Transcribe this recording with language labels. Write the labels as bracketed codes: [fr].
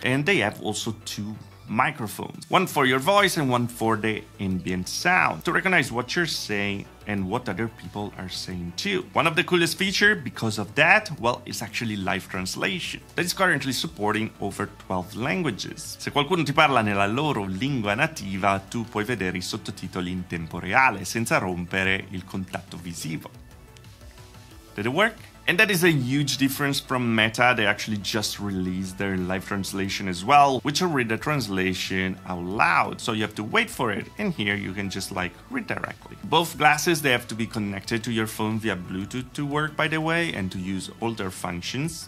[en] And they have also two microphones, one for your voice and one for the ambient sound to recognize what you're saying and what other people are saying too. One of the coolest features because of that, well, is actually live translation that is currently supporting over 12 languages. [it] Se qualcuno ti parla nella loro lingua nativa, tu puoi vedere I sottotitoli in tempo reale senza rompere il contatto visivo. [en] Did it work? And that is a huge difference from Meta. They actually just released their live translation as well, which will read the translation out loud. So you have to wait for it. And here you can just like read directly. Both glasses, they have to be connected to your phone via Bluetooth to work, by the way, and to use all their functions.